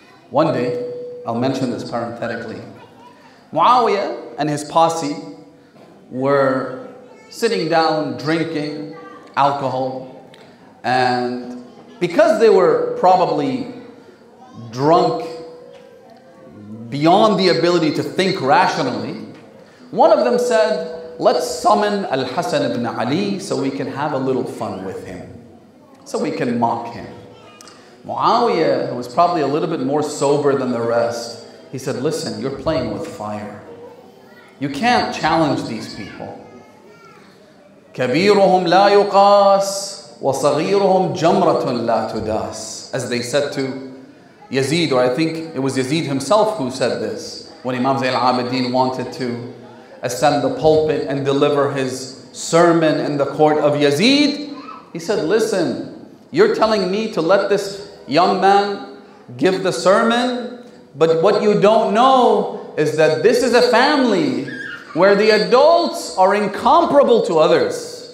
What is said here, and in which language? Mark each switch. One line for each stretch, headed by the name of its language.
English: One day, I'll mention this parenthetically, Muawiyah and his posse were sitting down drinking alcohol, and because they were probably drunk beyond the ability to think rationally, one of them said, "Let's summon Al-Hasan ibn Ali so we can have a little fun with him, so we can mock him." Muawiyah, who was probably a little bit more sober than the rest, he said, "Listen, you're playing with fire. You can't challenge these people.
Arabic: كبيرهم لا يقاس وصغيرهم جمرة لا تداس."
English: As they said to Yazid, or I think it was Yazid himself who said this, when Imam Zain al-Abidin wanted to ascend the pulpit and deliver his sermon in the court of Yazid. He said, "Listen, you're telling me to let this young man give the sermon, but what you don't know is that this is a family where the adults are incomparable to others.